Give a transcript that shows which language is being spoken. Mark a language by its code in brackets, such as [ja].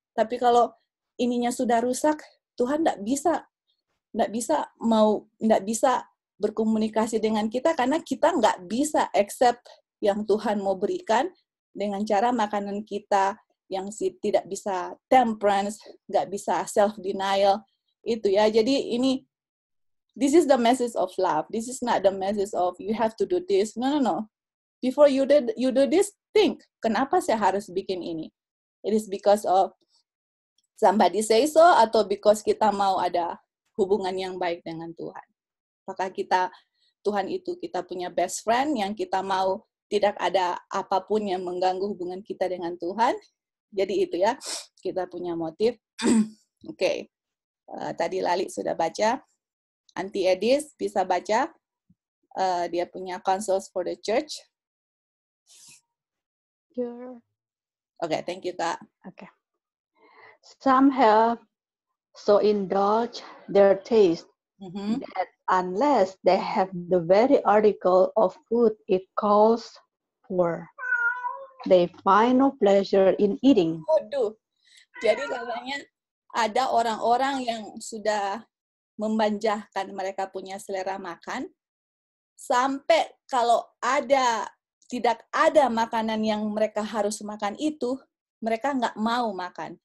[id] Tapi kalau ininya sudah rusak, Tuhan nggak bisa berkomunikasi dengan kita karena kita nggak bisa accept yang Tuhan mau berikan dengan cara makanan kita yang tidak bisa temperance, nggak bisa self denial. Itu ya, jadi ini, [en] this is the message of love, this is not the message of you have to do this, no. Before you do this, think, [id] kenapa saya harus bikin ini? [en] It is because of somebody say so, [id] atau because kita mau ada hubungan yang baik dengan Tuhan. Apakah kita, Tuhan itu kita punya best friend, yang kita mau tidak ada apapun yang mengganggu hubungan kita dengan Tuhan? Jadi itu ya, kita punya motif. Oke. Okay. Tadi Lali sudah baca, Auntie Edis bisa baca, dia punya Counsels for the Church. [en] Sure. Okay, thank you, Kak. Okay. Some have so indulged their taste that unless they have the very article of food it calls for, they find no pleasure in eating. [id] Aduh, jadi katanya ada orang-orang yang sudah memanjakan mereka punya selera makan, sampai kalau ada tidak ada makanan yang mereka harus makan itu, mereka nggak mau makan.